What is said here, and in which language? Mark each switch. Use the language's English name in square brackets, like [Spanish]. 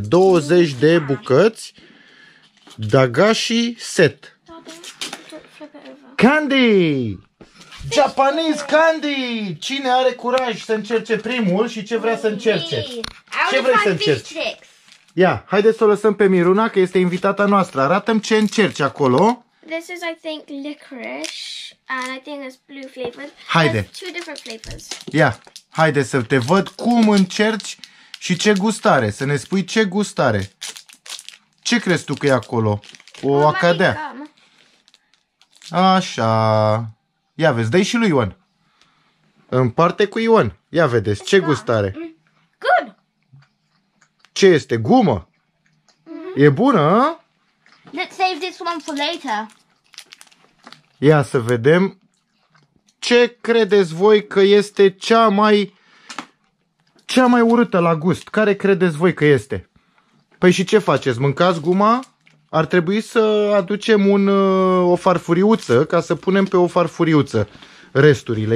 [Romanian] 20 de bucăți dagashi set. [English] Candy! Japanese candy! [Romanian] Cine are curaj să încerce primul și ce vrea să încerce? Ce vrei să încerci? Ia, haideți să o lăsăm pe Miruna, că este invitata noastră. Arată-mi ce încerci acolo. [English] This is, I think, licorice, and I think it's blue flavored. [Romanian] Haide. [English] Two different flavors. [Romanian] Ia, haide să te văd cum încerci și ce gust are. Să ne spui ce gust are. Ce crezi tu că e acolo? O acadea. Așa. Ia vezi, dă-i și lui Ion. Împarte cu Ion. Ia vedeți, ce gust are. [English] Good. [Romanian] Ce este? Gumă? Mm-hmm. E bună? [English] Let's save this one for later. [Romanian] Ia să vedem ce credeți voi că este cea mai urâtă la gust. Care credeți voi că este? Păi și ce faceți? Mâncați guma? Ar trebui să aducem o farfuriuță ca să punem pe o farfuriuță resturile.